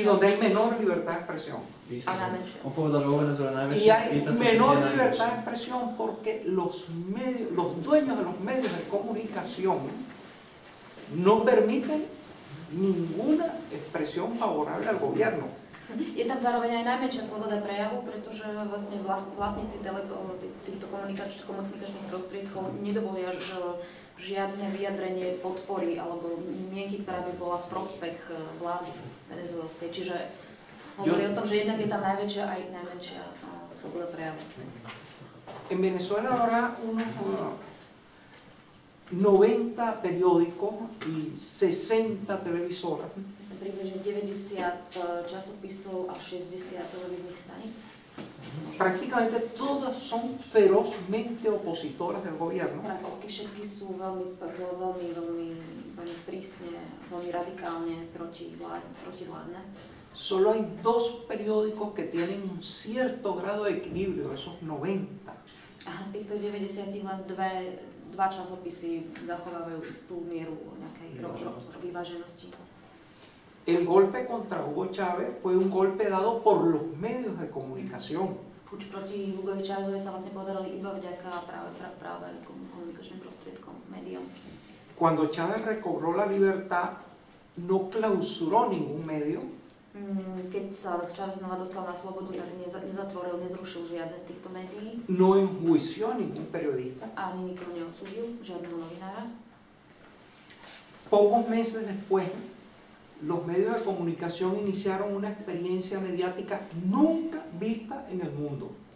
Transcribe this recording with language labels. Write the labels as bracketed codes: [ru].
[es] donde hay menor libertad de expresión. Y hay menor libertad de expresión porque los medios, los dueños de los medios de comunicación no permiten ninguna expresión favorable al gobierno. [sk] Je tam zároveň aj najmenšia sloboda prejavu, pretože vlastne vlastníci týchto komunikačných prostriedkov nedovolia žiadne vyjadrenie podpory alebo mienky, ktorá by bola v prospech vlády venezuelskej. Čiže hovorí o tom, že jednak je tam najväčšia aj najmenšia sloboda prejavu. [es] En Venezuela ahora unos 90 periódicos y 60 televisoras. [sk] Približne 90 časopisov a 60 televíznych staníc. [es] Prácticamente todas son ferozmente opositoras del gobierno. Prácticamente [sk] všetky sú veľmi prísne, veľmi radikálne protivládne. [es] Solo hay dos periódicos que tienen un cierto grado de equilibrio, esos 90. [sk] A z týchto 90 len dva časopisy zachovávajú istú mieru nejakej vyváženosti. [es] El golpe contra Hugo Chávez fue un golpe dado por los medios de comunicación. [sk] Puč proti Hugo Chávezovi sa vlastne podarili iba vďaka práve komunikačným prostriedkom, médiom. [es] Cuando Chávez recobró la libertad, no clausuró ningún medio. [sk] Keď sa Chávez znova dostal na slobodu, tak nezatvoril, nezrušil žiadne z týchto médií. [es] No enjuició ningún periodista. [sk] Ani nikoho neodsúdil, žiadneho novinára. [es] Pocos meses después, los medios de comunicación iniciaron una experiencia mediática nunca vista en el mundo.